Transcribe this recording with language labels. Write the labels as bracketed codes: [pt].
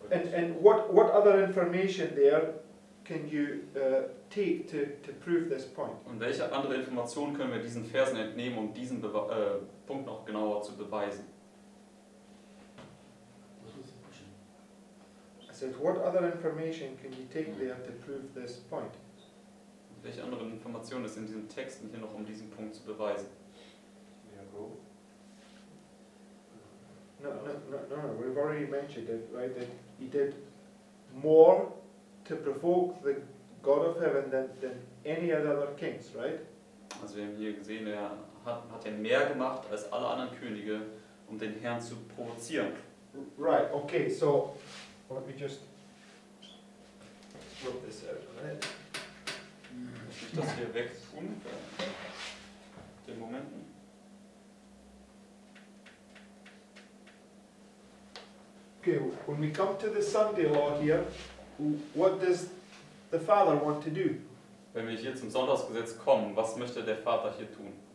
[en] And what other information there can you take to prove this point? [de] Und welche andere Information können wir diesen Versen entnehmen, um diesen Punkt noch genauer zu beweisen? [en] I said, what other information can you take there to prove this point? [de] Welche anderen Informationen ist in diesen Texten hier noch, um diesen Punkt zu beweisen? [en] No, we've already mentioned it, right? That he did more to provoke the God of heaven than any other kings, right? [de] Also wir haben hier gesehen, er hat er mehr gemacht als alle anderen Könige, um den Herrn zu provozieren. [en] Right, okay, so let me just rip this out, right? [de] Muss ich das hier wegtun? Den Moment. [en] Okay, when we come to the Sunday law here, what does the father want to do? [de] Wenn wir hier zum Sonntagsgesetz kommen, was möchte der Vater hier tun?